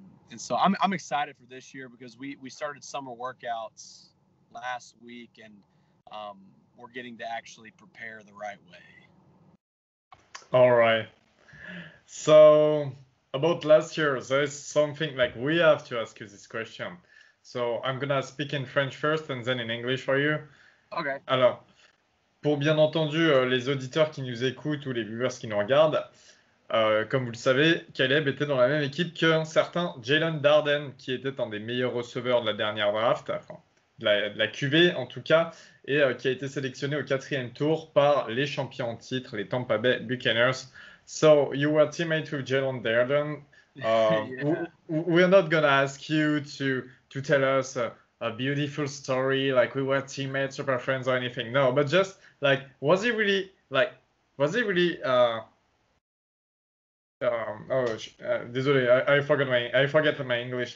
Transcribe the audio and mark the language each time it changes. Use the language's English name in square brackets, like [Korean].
[English] And so I'm excited for this year because we started summer workouts last week, and we're getting to actually prepare the right way. All right. So about last year, there's something like we have to ask you this question. So I'm going to speak in French first and then in English for you. Okay. [French] Alors. Pour bien entendu les auditeurs qui nous écoutent ou les viewers qui nous regardent, comme vous le savez, Kyleb était dans la même équipe qu'un certain Jalen Darden, qui était un des meilleurs receveurs de la dernière draft, enfin, de la QV en tout cas, et qui a été sélectionné au quatrième tour par les champions en titre, les Tampa Bay Buccaneers. [English] So, you were teammates with Jalen Darden. Yeah. We're not going to ask you to tell us a beautiful story, like we were teammates, super friends, or anything. No, but just like, was he really? I forget my English.